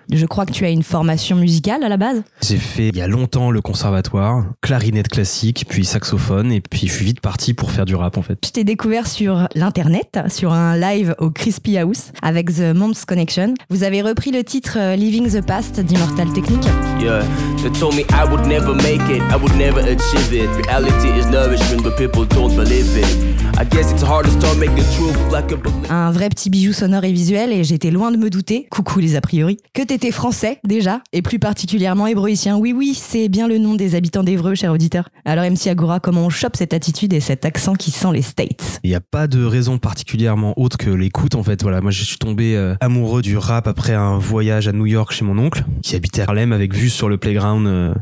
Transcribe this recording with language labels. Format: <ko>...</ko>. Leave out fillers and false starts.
<fr>Je crois que tu as une formation musicale à la base ? J'ai fait il y a longtemps le conservatoire, clarinette classique, puis saxophone, et puis je suis vite parti pour faire du rap en fait. Je t'ai découvert sur l'internet, sur un live au Crispy House avec The Mumps Connection. Vous avez repris le titre Living the Past d'Immortal Technique.</fr> <en>Yeah. They told me I would never make it, I would never achieve it. Reality is nourishment, but people don't believe it. I guess it's hard to start making the truth like a belief.</en> <fr>Un vrai petit bijou sonore et visuel, et j'étais loin de me douter, coucou les a priori, que t'étais français déjà, et plus particulièrement hébroïcien. Oui, oui, c'est bien le nom des habitants d'Évreux, cher auditeur. Alors MC Agora, comment on chope cette attitude et cet accent qui sent les States ? Il n'y a pas de raison particulièrement autre que l'écoute, en fait. Voilà, moi, je suis tombé amoureux du rap après un voyage à New York chez mon oncle, qui habitait Harlem avec vue sur le playground.</fr>